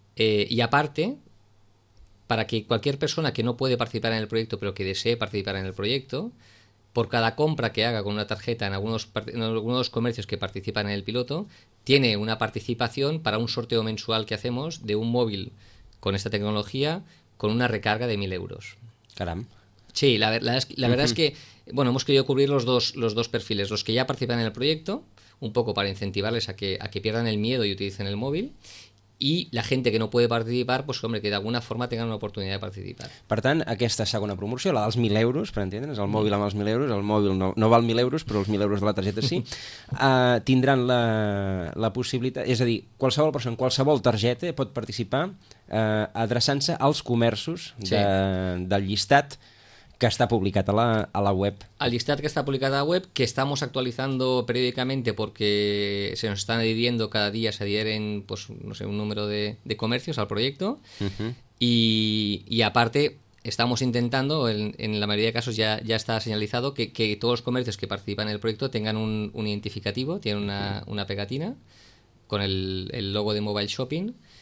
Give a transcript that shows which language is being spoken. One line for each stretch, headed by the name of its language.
Spanish: Y aparte, para que cualquier persona que no puede participar en el proyecto, pero que desee participar en el proyecto, por cada compra que haga con una tarjeta en algunos comercios que participan en el piloto, tiene una participación para un sorteo mensual que hacemos de un móvil con esta tecnología con una recarga de 1.000 euros.
Catalan: Caram.
Spanish: Sí, la verdad es que bueno, hemos querido cubrir los dos perfiles, los que ya participan en el proyecto, un poco para incentivarles a que pierdan el miedo y utilicen el móvil, y la gente que no puede participar, pues hombre, que de alguna forma tengan una oportunidad de participar.
Catalan: Per tant, aquesta segona promoció, la dels 1.000 euros, per entendre's, el mòbil amb els 1.000 euros, el mòbil no val 1.000 euros, però els 1.000 euros de la targeta sí, tindran la possibilitat, és a dir, qualsevol persona, qualsevol targeta pot participar adreçant-se als comerços del llistat que està publicat a la web. Al llistat que està publicat a la web,
Spanish: que estamos actualizando periódicamente porque se nos están adhiriendo cada día, se adhieren pues, no sé, un número de comercios al proyecto. Uh-huh. Y aparte, estamos intentando, en la mayoría de casos ya está señalizado, que todos los comercios que participan en el proyecto tengan un identificativo, tienen una pegatina con el logo de Mobile Shopping.